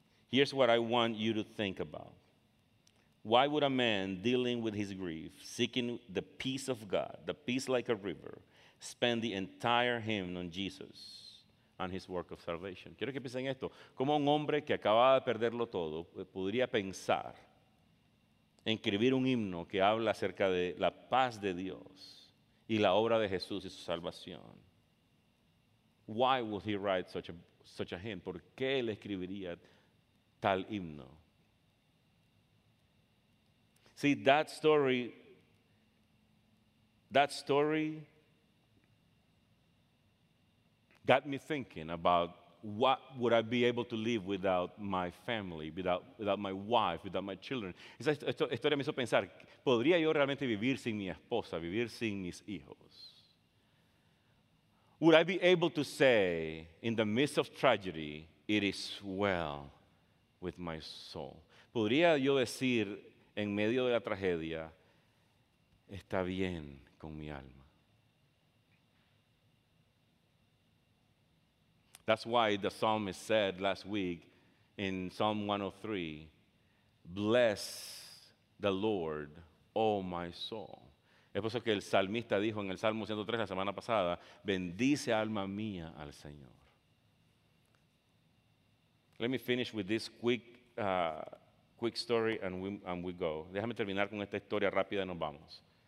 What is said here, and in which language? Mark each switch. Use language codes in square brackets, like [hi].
[en] Here's what I want you to think about. Why would a man dealing with his grief, seeking the peace of God, the peace like a river, spend the entire hymn on Jesus and his work of salvation? [es] Quiero que piensen esto. ¿Cómo un hombre que acababa de perderlo todo podría pensar en escribir un himno que habla acerca de la paz de Dios y la obra de Jesús y su salvación? [en] Why would he write such a hymn? [es] ¿Por qué él escribiría tal himno? [en] See, that story got me thinking about what would I be able to live without my family, without my wife, without my children. [es] Esa historia me hizo pensar, ¿podría yo realmente vivir sin mi esposa, vivir sin mis hijos? [en] Would I be able to say, in the midst of tragedy, it is well with my soul? [es] ¿Podría yo decir, en medio de la tragedia, está bien con mi alma? [en] That's why the psalmist said last week in Psalm 103, bless the Lord, oh my soul. [es] Es por eso que el salmista dijo en el Salmo 103 la semana pasada, bendice alma mía al Señor. [en] Let me finish with this quick story and we go. [es] Déjame terminar con esta historia rápida y nos vamos.